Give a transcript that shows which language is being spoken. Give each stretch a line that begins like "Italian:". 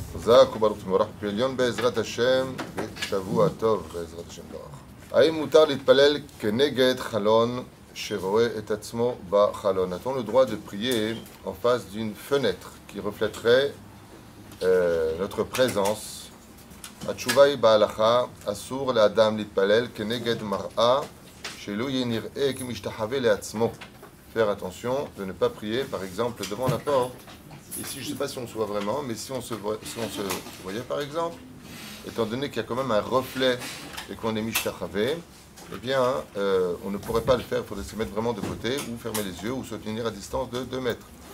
Hebrew: חזק וברוך ומבורך בעליון בעזרת השם ושבוע טוב בעזרת השם ברך. האם מותר להתפלל כנגד חלון שרואה את עצמו בחלון?
French: A-t-on le droit de prier en face d'une fenêtre qui reflèterait notre présence?
Hebrew: התשובה היא בהלכה, אסור לאדם להתפלל כנגד מראה שלא יהיה נראה כמשתחווה לעצמו.
French: Faire attention de ne pas prier, par exemple, devant la porte. Ici, je ne sais pas si on se voit vraiment, mais si on se voyait, par exemple, étant donné qu'il y a quand même un reflet et qu'on est mishtachavé, eh bien, on ne pourrait pas le faire, il faudrait se mettre vraiment de côté, ou fermer les yeux, ou se tenir à distance de 2 mètres.